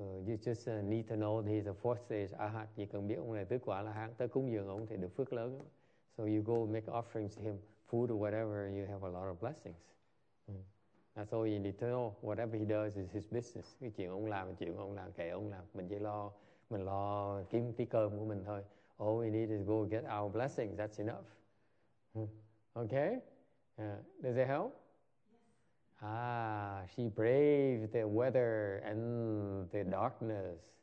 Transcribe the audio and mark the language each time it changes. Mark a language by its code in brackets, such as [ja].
[en] You just need to know he's a fourth stage arhat. [vi] You cần biết ông này Đức Quả là há, tới cúng dường ông thì được phước lớn. [en] So you go make offerings to him food, whatever, you have a lot of blessings. That's all in eternal. Whatever he does is his business. [vi] Cái chuyện ông làm, chuyện ông làm, kệ ông làm. Mình chỉ lo, mình lo kiếm tí cơm của mình thôi. [en] All we need is go get our blessings. That's enough. Okay? Does it help? Ah, she braved the weather and the darkness.